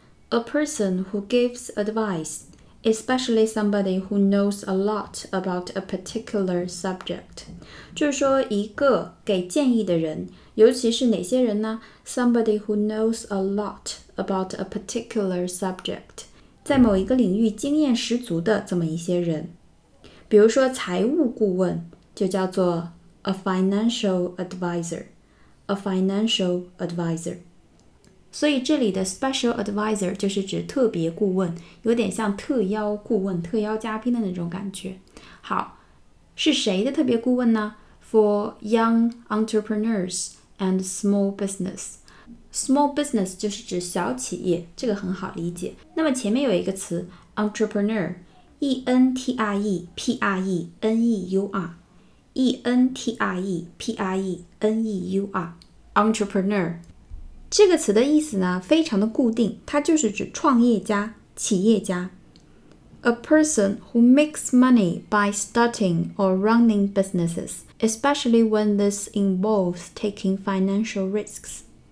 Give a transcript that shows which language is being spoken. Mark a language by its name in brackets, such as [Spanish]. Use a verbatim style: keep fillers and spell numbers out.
[English] A person who gives advice, especially somebody who knows a lot about a particular subject. [Chinese] 就是说一个给建议的人，尤其是哪些人呢？ [English] Somebody who knows a lot about a particular subject. [Chinese] 在某一个领域经验十足的这么一些人。比如说财务顾问就叫做 [English] a financial advisor. A financial advisor. [Chinese] 所以这里的 special advisor 就是指特别顾问，有点像特邀顾问、特邀嘉宾的那种感觉。好，是谁的特别顾问呢？ [English] For young entrepreneurs and small business. [Chinese] Small business 就是指小企业，这个很好理解。那么前面有一个词 entrepreneur, E N T R E P R E N E U R, E N T R E P R E N E U R, entrepreneur。这个词的意思呢，非常的固定，它就是指创业家、企业家。 [English] A person who makes money by starting or running businesses, especially when this involves taking financial risks.